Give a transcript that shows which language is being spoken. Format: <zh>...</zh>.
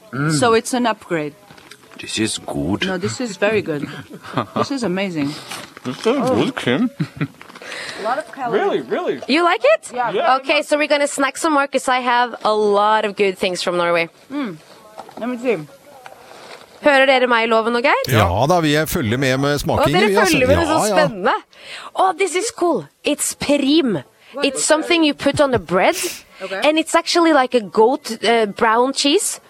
<en>So it's an upgrade. This is good. No, this is very good. This is amazing. This is good, Kim. A lot of calories. Really, really. You like it? Yeah. Okay, so we're going to snack some more because I have a lot of good things from Norway. Let me see.</en> <no>Hører dere meg I loven og Geir? Ja, da vi følger med med smaking. Og dere følger med, det så spennende.</no> <en>Oh, this is cool. It's perim. It's something you put on the bread. And it's actually like a goat brown cheese.</en>